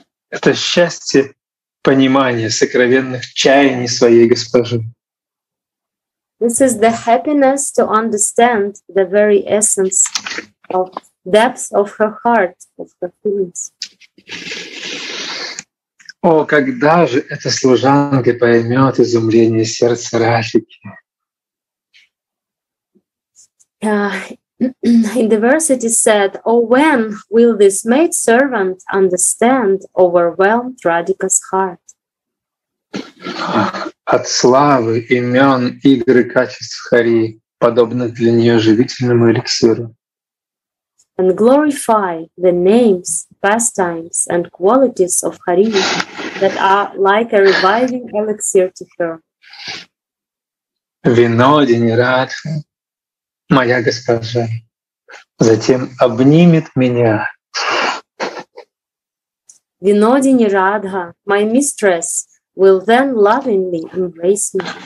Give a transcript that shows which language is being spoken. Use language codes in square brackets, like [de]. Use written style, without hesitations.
[ru] Это счастье понимания сокровенных чаяний своей госпожи. [en] This is the happiness to understand the very essence of depth of her heart, of her feelings. [ru] О, когда же эта служанка поймет изумление сердца Радхики? [en] In the verse it is said, oh, when will this maidservant understand overwhelmed Radhika's heart? [ru] От славы, имен, игр и качеств Хари, подобных для нее живительному эликсиру. [en] And glorify the names, pastimes and qualities of Хари that are like a reviving elixir to her. [ru] Винодини Радха, моя госпожа, затем обнимет меня. [en] Винодини Радха, my mistress, will then lovingly embrace me.